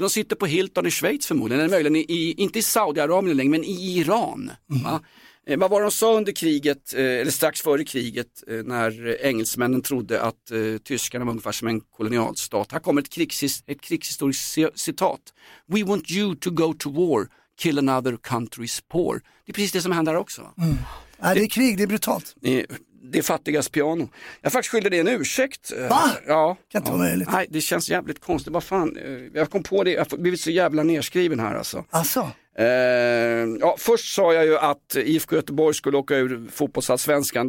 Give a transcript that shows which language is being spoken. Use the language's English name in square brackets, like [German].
[Swedish] De sitter på Hilton i Schweiz förmodligen, eller möjligen i, inte i Saudiarabien längre, men i Iran. Mm. Va? Vad var de så under kriget, eller strax före kriget, när engelsmännen trodde att tyskarna var ungefär som en kolonialstat? Här kommer ett krigshistoriskt citat. [English] We want you to go to war, kill another country's poor. [Swedish] Det är precis det som händer också. Mm. Det är krig, det är brutalt. Det är fattigas piano. Jag faktiskt skyller dig en ursäkt. Va? Ja. Kan inte vara möjligt. Nej, det känns jävligt konstigt. Vad fan? Jag kom på det. Jag har blivit så jävla nedskriven här alltså. Asså? Ja, först sa jag ju att IFK Göteborg skulle åka ur fotbollsallsvenskan.